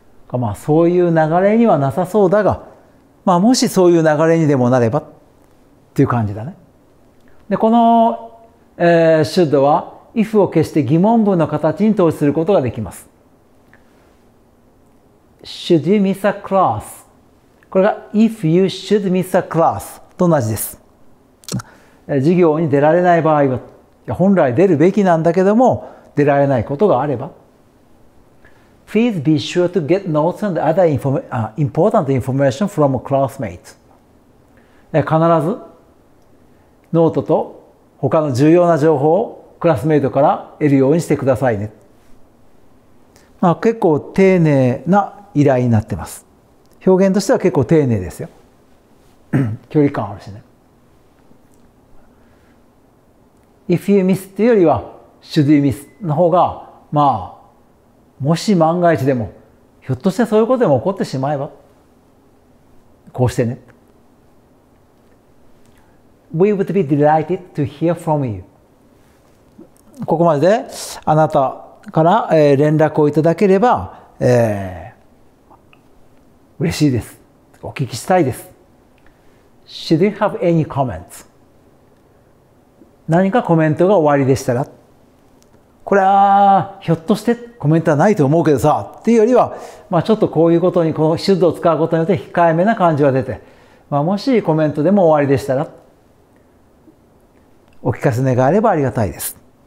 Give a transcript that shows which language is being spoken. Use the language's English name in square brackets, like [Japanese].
[Japanese] まあ、そういう流れにはなさそうだが、まあ、もしそういう流れにでもなればっていう感じだね。で、この、should は、if を消して疑問文の形に統一することができます。 [English] should you miss a class? [Japanese] これが、 [English] if you should miss a class [Japanese] と同じです。授業に出られない場合は、いや本来出るべきなんだけども出られないことがあれば、 [English] Please be sure to get notes and other important information from a classmate. [Japanese] 必ずノートと他の重要な情報をクラスメイトから得るようにしてくださいね。まあ、結構丁寧な依頼になってます。表現としては結構丁寧ですよ。距離感あるしね。 [English] If you miss [Japanese] っていうよりは、 [English] should you miss [Japanese] の方が、まあ、もし万が一でも、ひょっとしてそういうことでも起こってしまえば、こうしてね。 [English] We would be delighted to hear from you. [Japanese] ここまでで、あなたから連絡をいただければ、嬉しいです。お聞きしたいです。 [English] Should you have any comments? [Japanese] 何かコメントが終わりでしたら、これはひょっとしてコメントはないと思うけどさっていうよりは、まあちょっとこういうことに、この手術を使うことによって控えめな感じは出て、まあもしコメントでも終わりでしたらお聞かせ願えればありがたいです。